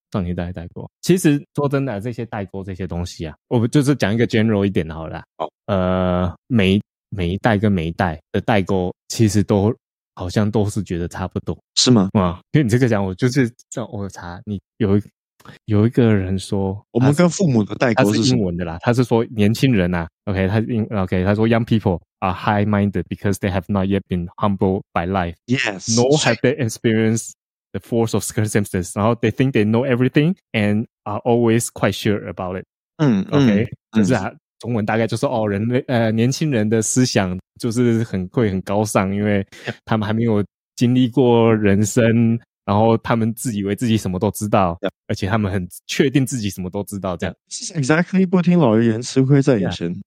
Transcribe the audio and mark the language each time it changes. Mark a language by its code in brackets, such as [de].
[zh] 上一代的代沟，其实说真的，这些代沟这些东西啊，我们就是讲一个 general 一点好了。每一代跟每一代的代沟，其实都好像都是觉得差不多，是吗？啊，因为你这个讲，我就是像我查你有一。有一个人说我们跟父母的代沟是英文的啦，他是说年轻人啊 OK 他说 [en] young people are high minded because they have not yet been humbled by life yes nor have they experienced the force of circumstances， 然后 they think they know everything and are always quite sure about it。 [zh] 就是中文大概就是哦，人类年轻人的思想就是很高尚，因为他们还没有经历过人生，然后他们自以为自己什么都知道、而且他们很确定自己什么都知道，这样。 Exactly， 不听老言，吃亏在眼前。